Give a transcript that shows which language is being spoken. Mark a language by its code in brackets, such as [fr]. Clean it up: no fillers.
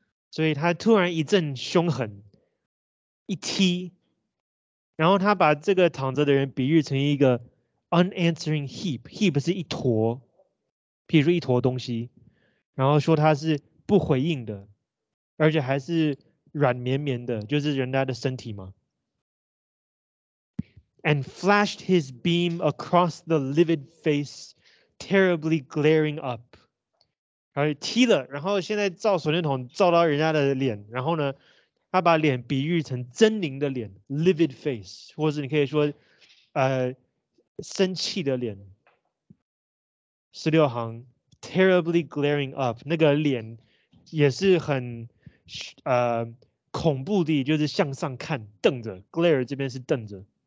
[zh] 所以他突然一阵凶狠，一踢，然后他把这个躺着的人比喻成一个 [en] unanswering heap。 [zh] heap 是一坨。比如一坨东西，然后说他是不回应的，而且还是软绵绵的，就是人家的身体嘛。 [en] And flashed his beam across the livid face, terribly glaring up. [zh] 然后踢了，然后现在照手电筒照到人家的脸，然后呢，他把脸比喻成狰狞的脸 ， [en] livid face， [zh] 或者你可以说，生气的脸。十六行 ， [en] terribly glaring up， [zh] 那个脸也是很恐怖的，就是向上看，瞪着 ，glare 这边是瞪着。